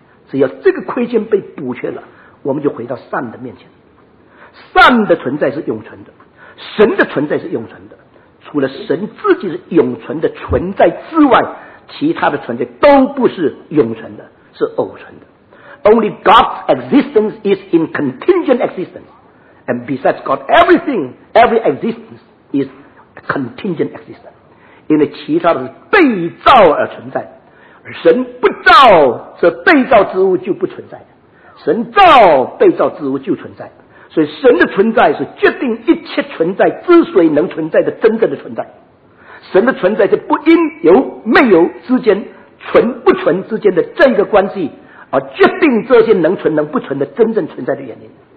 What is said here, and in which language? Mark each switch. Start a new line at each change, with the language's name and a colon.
Chinese: 只要这个亏欠被补缺了，我们就回到善的面前。善的存在是永存的，神的存在是永存的，除了神自己是永存的存在之外，其他的存在都不是永存的，是偶存的。
English: Only God's existence is in contingent existence, and besides God, everything, every existence is contingent existence.
Chinese: 因为其他的是被造而存在，神不造则被造之物就不存在，神造被造之物就存在。所以神的存在是决定一切存在之所以能存在的真正的存在。神的存在是不因由没有之间、存不存之间的这个关系而决定这些能存能不存的真正存在的原因。